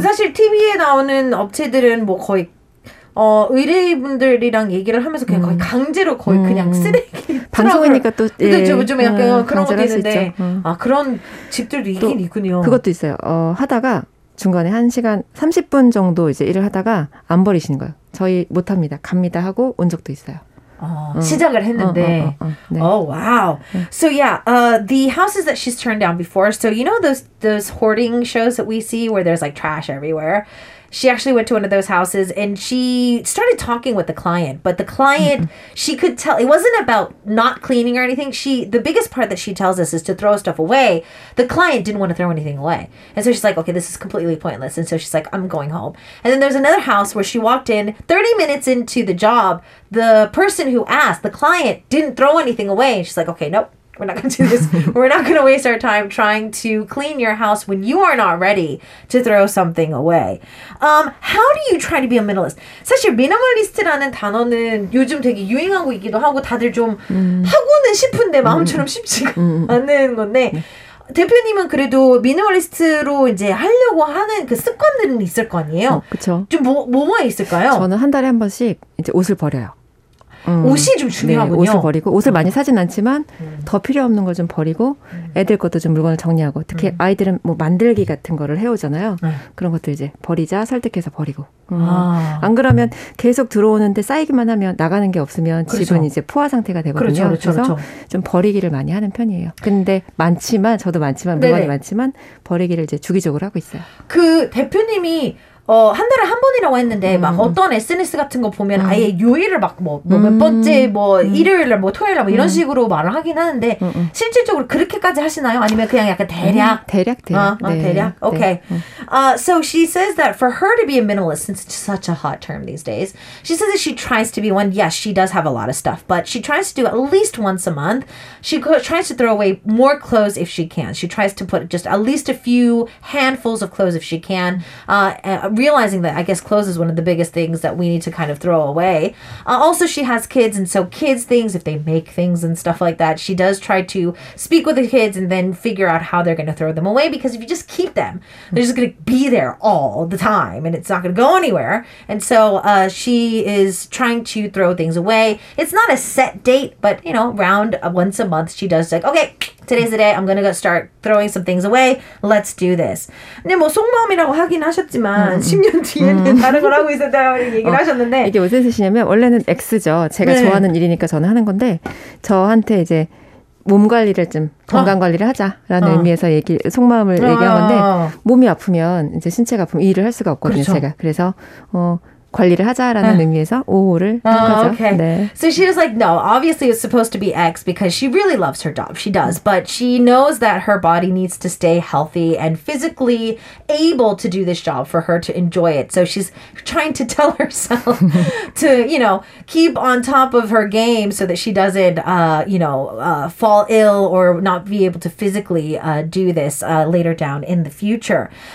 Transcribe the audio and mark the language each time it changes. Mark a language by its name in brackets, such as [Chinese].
[Korean] 사실 TV에 나오는 업체들은 뭐 거의 의뢰분들이랑 얘기를 하면서 그냥 거의 강제로 거의 그냥 쓰레기 방송이니까 또 예, 요즘에 약간 그런 것도 있는데 그런 집들도 있긴 또, 있군요. 그것도 있어요. 하다가 중간에 1시간 30분 정도 이제 일을 하다가 안 버리시는 거예요. 저희 못합니다. 갑니다 하고 온 적도 있어요. 시작을 했는데 [English] So yeah, the houses that she's turned down before. So you know those hoarding shows that we see where there's like trash everywhere. She actually went to one of those houses and she started talking with the client, but the client, she could tell it wasn't about not cleaning or anything. The biggest part that she tells us is to throw stuff away. The client didn't want to throw anything away. And so she's like, okay, this is completely pointless. And so she's like, I'm going home. And then there's another house where she walked in 30 minutes into the job. The person who asked, the client, didn't throw anything away. And she's like, okay, nope. We're not going to do this. We're not going to waste our time trying to clean your house when you are not ready to throw something away. How do you try to be a minimalist? [Korean] 사실 미니멀리스트라는 단어는 요즘 되게 유행하고 있기도 하고 다들 좀 하고는 싶은데 마음처럼 쉽지가 않은 건데 대표님은 그래도 미니멀리스트로 이제 하려고 하는 그 습관들은 있을 거 아니에요? 그렇죠. 좀 뭐가 있을까요? 저는 한 달에 한 번씩 이제 옷을 버려요. 옷이 좀 중요하군요. 네, 옷을 버리고 옷을 많이 사진 않지만 더 필요 없는 걸 좀 버리고 애들 것도 좀 물건을 정리하고 특히 아이들은 뭐 만들기 같은 거를 해오잖아요. 그런 것들 이제 버리자 설득해서 버리고 안 그러면 계속 들어오는데 쌓이기만 하면 나가는 게 없으면 그렇죠. 집은 이제 포화 상태가 되거든요. 그렇죠, 그렇죠, 그래서 그렇죠. 좀 버리기를 많이 하는 편이에요. 근데 많지만 저도 많지만 물건이 네네. 많지만 버리기를 이제 주기적으로 하고 있어요. 그 대표님이 한 달에 한 번이라고 했는데 막 어떤 SNS 같은 거 보면 아예 요일을 막 몇 번째 뭐 일요일 날 뭐 토요일 날 뭐 이런 식으로 말을 하긴 하는데 실질적으로 그렇게까지 하시나요? 아니면 그냥 약간 대략? 대략. 네. [English] Okay. [Korean] 네. [English] So she says that for her to be a minimalist, since it's such a hot term these days, she says that she tries to be one. Yes, she does have a lot of stuff, but she tries to do at least once a month. She tries to throw away more clothes if she can. She tries to put just at least a few handfuls of clothes if she can. Realizing that I guess clothes is one of the biggest things that we need to kind of throw away. Also, she has kids, and so kids' things, if they make things and stuff like that, she does try to speak with the kids and then figure out how they're going to throw them away, because if you just keep them, they're just going to be there all the time and it's not going to go anywhere. And so she is trying to throw things away. It's not a set date, but you know, around once a month, she does like, okay, Today's the day. I'm going to go start throwing some things away. Let's do this. [Korean] 근데 뭐 속마음이라고 하긴 하셨지만 10년 뒤에는 다른 걸 하고 있었다 얘기를 하셨는데 이게 무슨 뜻이냐면 원래는 X죠. 제가 네. 좋아하는 일이니까 저는 하는 건데 저한테 이제 몸 관리를 좀 건강 관리를 하자라는 의미에서 얘기 속마음을 얘기한 건데 몸이 아프면 이제 신체가 아프면 일을 할 수가 없거든요. 그렇죠. 제가 그래서 관리를 하자라는 의미에서 오호를 한 거죠. [English] Okay. [Korean] 네. [English] So she was like, no, obviously it's supposed to be X because she really loves her job. She does, but she knows that her body needs to stay healthy and physically able to do this job for her to enjoy it. So she's trying to tell herself to, you know, keep on top of her game so that she doesn't, fall ill or not be able to physically do this later down in the future.